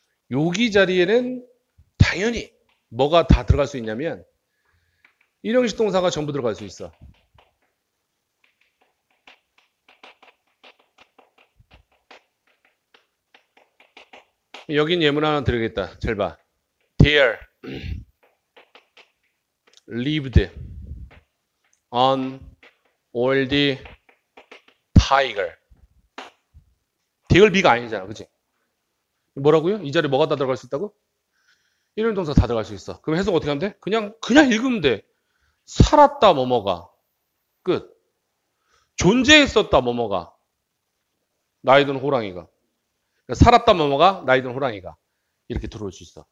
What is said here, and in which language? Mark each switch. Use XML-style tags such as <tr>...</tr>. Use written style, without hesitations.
<ko>여기 자리에는 당연히 뭐가 다 들어갈 수 있냐면 1형식 동사가 전부 들어갈 수 있어. 여긴 예문 하나 드리겠다. 잘 봐.</ko> <en>There lived on old tiger.</en> <ko>대글비가 아니잖아, 그치? 뭐라고요? 이 자리에 뭐가 다 들어갈 수 있다고? 이런 동사 다 들어갈 수 있어. 그럼 해석 어떻게 하면 돼? 그냥 읽으면 돼. 살았다, 뭐뭐가. 끝. 존재했었다, 뭐뭐가. 나이든 호랑이가. 살았다, 뭐뭐가. 나이든 호랑이가. 이렇게 들어올 수 있어.</ko>